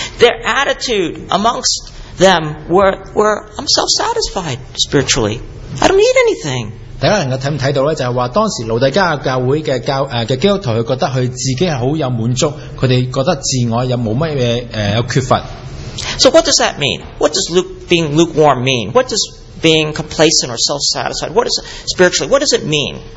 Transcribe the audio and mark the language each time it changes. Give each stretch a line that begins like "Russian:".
English: Their attitude amongst them were, I'm self-satisfied spiritually. I don't need anything.
Chinese: 大家能夠看到呢,就是說當時路底加教會的基督徒,他覺得他自己很有滿足,他們覺得自我有沒有什麼缺乏。
English: So what does that mean? What does being lukewarm mean? What does being complacent or self-satisfied, what is it, spiritually, what does it mean?